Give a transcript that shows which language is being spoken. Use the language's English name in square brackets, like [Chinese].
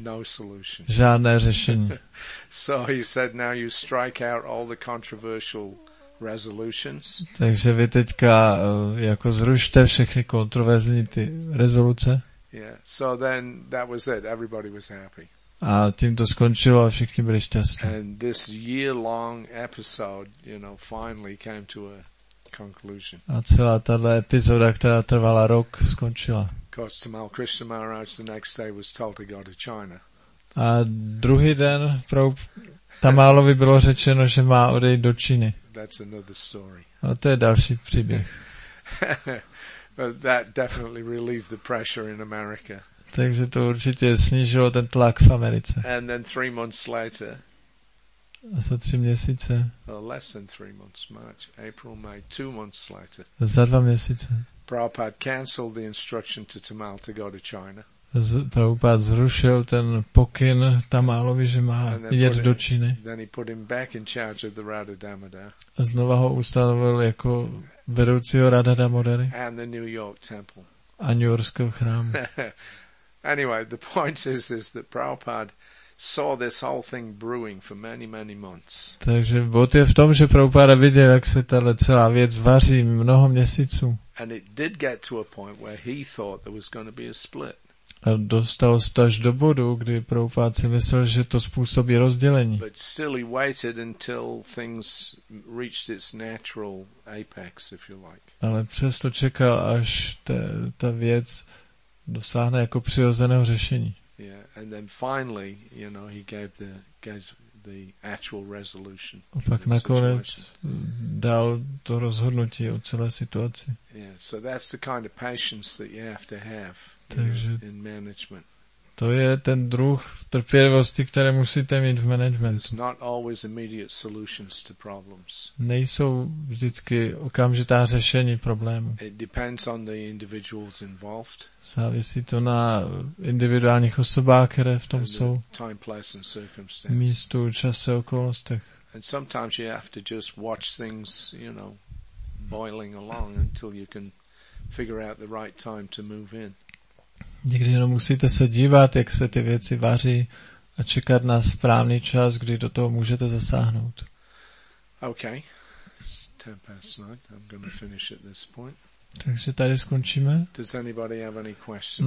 [English] no solution, [Czech] žádné řešení. [English] So he said, now you strike out all the controversial resolutions. [Czech] Takže vy teďka jako zrušte všechny kontroverzní ty rezoluce. [English] Yeah. So then that was it. Everybody was happy. [Czech] A tím to skončilo a všichni byli šťastní. [English] And this year-long episode, you know, finally came to a conclusion. [Czech] A celá tato epizoda, která trvala rok, skončila. [English] Because Tamal Krishna Maharaj the next day was told to go to China. [Czech] A druhý den pro Tamálovi bylo řečeno, že má odejít do Číny. [English] That's another story. [Czech] A to je další příběh. [English] But that definitely relieved the pressure in America. [Czech] Takže to určitě snížilo ten tlak v Americe. [English] And then 3 months later. [Czech] Za 3 měsíce. [English] Less than 3 months, March, April, May, 2 months later. [Czech] Za 2 měsíce. [English] Prabhupada cancelled the instruction to Tamal to go to China. [Czech] Prabhupada zrušil ten pokyn Tamálovi, že má jet do Číny. [English] Then he put him back in charge of the Radha Damodar. [Czech] A znova ho ustanovil jako vedoucího Radha Damodary. [English] And the New York temple. [Czech] A New Yorkského chrámu. [English] Anyway, the point is that Prabhupada saw this whole thing brewing for many, many months. [Czech] Takže bod je v tom, že Prabhupada viděl, jak se tato celá věc vaří mnoho měsíců. [English] And it did get to a point where he thought there was going to be a split. [Czech] A dostal se až do bodu, kdy Prabhupada si myslel, že to způsobí rozdělení. [English] But still he waited until things reached its natural apex, if you like. [Czech] Ale přesto čekal, až ta věc dosáhne jako přirozeného řešení. [English] Yeah, and then finally, you know, he gave the actual resolution. [Czech] A pak nakonec dal to rozhodnutí o celé situaci. [English] Yeah, so that's the kind of patience that you have to have. [Czech] Takže, [English] in management. [Czech] To je ten druh trpělivosti, které musíte mít v managementu. [English] It's not always immediate solutions to problems. [Czech] Nejsou vždycky okamžitá řešení problému. [English] It depends on the individuals involved. [Czech] Závisí to na individuálních osobách, které v tom [English] and [Czech] jsou. [English] Time, place and circumstances. [Czech] Místu, čase, okolnostech. [English] And sometimes you have to just watch things, you know, boiling along until you can figure out the right time to move in. [Czech] Někdy jenom musíte se dívat, jak se ty věci vaří a čekat na správný čas, kdy do toho můžete zasáhnout. [English] Okay. It's 10:09. I'm going to finish at this point. [Czech] Takže tady skončíme. [English] Does anybody have any questions?